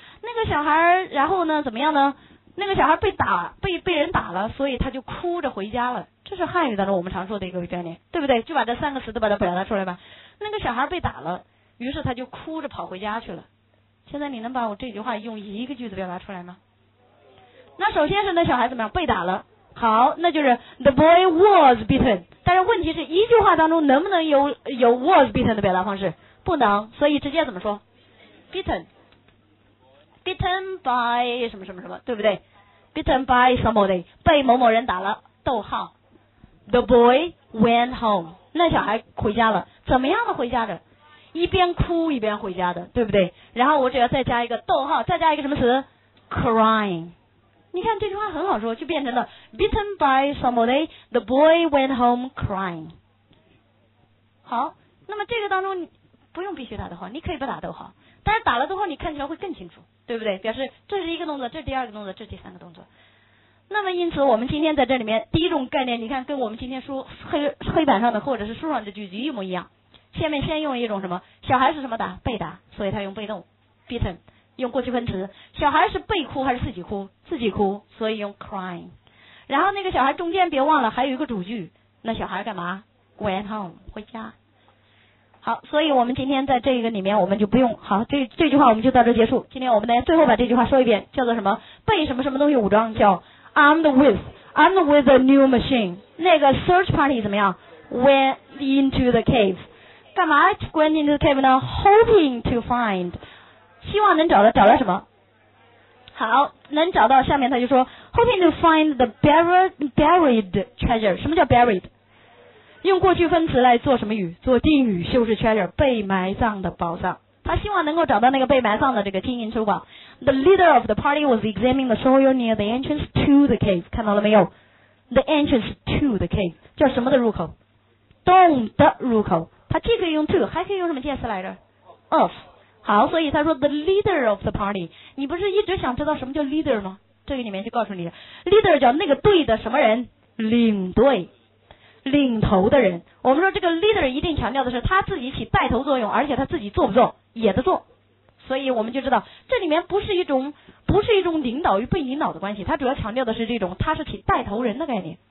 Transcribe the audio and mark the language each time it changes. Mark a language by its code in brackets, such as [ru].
[zh] 那个小孩然后呢怎么样呢？那个小孩被打被人打了，所以他就哭着回家了。这是汉语当中我们常说的一个概念，对不对？就把这三个词都把它表达出来吧。那个小孩被打了，于是他就哭着跑回家去了。现在你能把我这句话用一个句子表达出来吗？那首先是那小孩怎么样？被打了。好，那就是 [en] the boy was beaten。 [zh] 但是问题是一句话当中能不能有 [en] was beaten [zh] 的表达方式？不能。所以直接怎么说？ [en] beaten by [zh] 什么什么什么，对不对？ [en] beaten by somebody， [zh] 被某某人打了，逗号。 [en] the boy went home， [zh] 那小孩回家了。怎么样的回家的？一边哭一边回家的，对不对？然后我只要再加一个逗号，再加一个什么词？ [en] crying。 [zh] 你看这句话很好说，就变成了 [en] beaten by somebody the boy went home crying。 [zh] 好，那么这个当中不用必须打逗号，你可以不打逗号，但是打了逗号你看起来会更清楚，对不对？表示这是一个动作，这是第二个动作，这是第三个动作。那么因此我们今天在这里面第一种概念，你看跟我们今天书 黑板上的或者是书上的句子一模一样。下面先用一种什么？小孩是什么打？被打，所以他用被动 beaten， 用过去分词。小孩是被哭还是自己哭？自己哭，所以用 crying。然后那个小孩中间别忘了还有一个主句，那小孩干嘛？ [en] went home， 回家。 [zh] 好，所以我们今天在这个里面我们就不用，好，这句话我们就到这结束。今天我们来最后把这句话说一遍，叫做什么？被什么什么东西武装，叫 [en] armed with a new machine。 [zh] 那个 search party 怎么样？ [en] went into the cave。 [zh] 干嘛 [en] went into the cave [zh] 呢？ [en] hoping to find， [zh] 希望能找到，找到什么？好，能找到。下面他就说 [en] hoping to find the buried treasure。 [zh] 什么叫 buried？用过去分词来做什么语？做定语，就是 treasure， 被埋葬的宝藏。他希望能够找到那个被埋葬的这个金银珠宝。 [en] The leader of the party was examining the soil near the entrance to the cave。 [zh] 看到了没有？ [en] the entrance to the cave [zh] 叫什么的入口？洞的入口。他既可以用 to， 还可以用什么介词来着？ [en] of。 [zh] 好，所以他说 [en] the leader of the party。 [zh] 你不是一直想知道什么叫 leader 吗？这个里面就告诉你 leader 叫那个队的什么人？领队，领头的人。我们说这个 leader 一定强调的是他自己起带头作用，而且他自己做不做也得做。所以我们就知道这里面不是一种领导与被领导的关系，他主要强调的是这种他是起带头人的概念。